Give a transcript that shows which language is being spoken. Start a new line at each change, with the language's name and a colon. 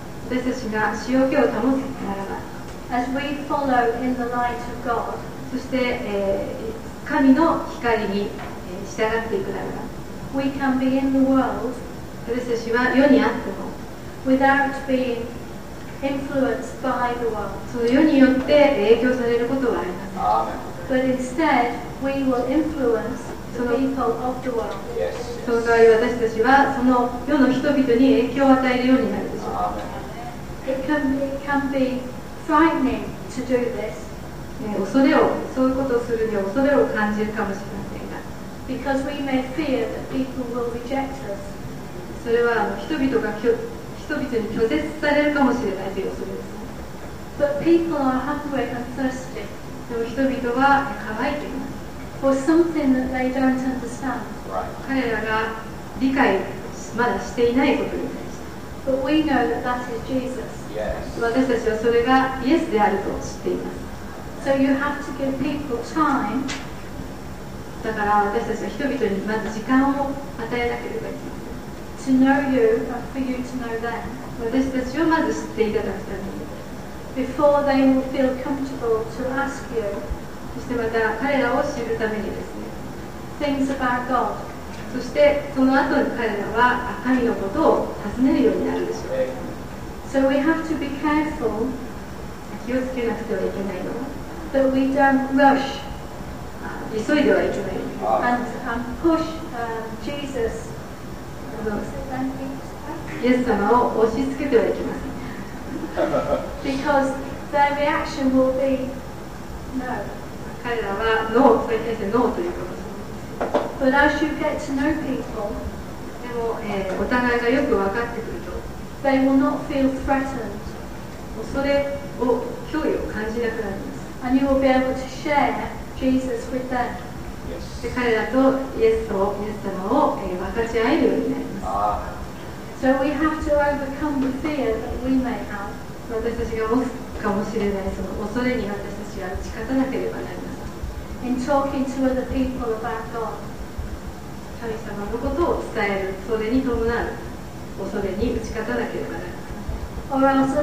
Japanese: 私たちが塩気を保つならば、
English: As we follow in the light of God,
Japanese: そして、神の光に従っていくならば、
English: We can be in the world,
Japanese: 私たちは世にあっても、
English: Without being influenced by the world.
Japanese: その世によって影響されることはありません。
English: But instead, we will influence the people of the world.
Japanese: その代わり私たちはその世の人々に影響を与えるようになるでしょう。
English: It can be frightening to do this.
Japanese: 恐れを、そういうことをするには恐れを感じるかもしれませんが。
English: Because we may fear that people will reject us.
Japanese: それは人々が人々に拒絶されるかもしれないという恐れです。
English: But people are hungry and thirsty.
Japanese: でも人々は渇いています。
English: For something that they don't understand.
Japanese: 彼らが理解まだしていないことに対して。
English: But we know that that is Jesus. Yes.
Japanese: 私たちはそれがイエスであると知っています。
English: So you have to give people time.
Japanese: だから私たちは人々にまず時間を与えなければいけない。
English: To know you, and for you to know them.
Japanese: 私たちをまず知っていただくために。
English: Before they will feel comfortable to ask you.
Japanese: そしてまた彼らを知るためにですね。
English: Things about God.
Japanese: そしてその後に彼らは神のことを尋ねるようになるでしょう。
English: So we have to be careful.
Japanese: 気をつけなくてはいけないのは。
English: That we don't rush.
Japanese: 急いではいけない。
English: And push Jesus.
Japanese: イエス様を押し付けてはいけません。
English: Because their reaction will be no.
Japanese: 彼らはノー、それに対してノーということです。
English: But as you get to know people,
Japanese: でも、お互いがよく分かってくると、
English: they will not feel threatened.
Japanese: 恐れを、脅威を感じなくなります。
English: And you will be able to share Jesus with them.
Japanese: で彼らとイエス様を、分かち合えるようになります。
English: So we have to overcome the fear that we may have.
Japanese: 私たちが持つかもしれないその恐れに私たちは打ち勝たなければなりません。
English: In talking to other people about God.
Japanese: 神様のことを伝えるそれに伴う恐れに打ち勝たなければなりません。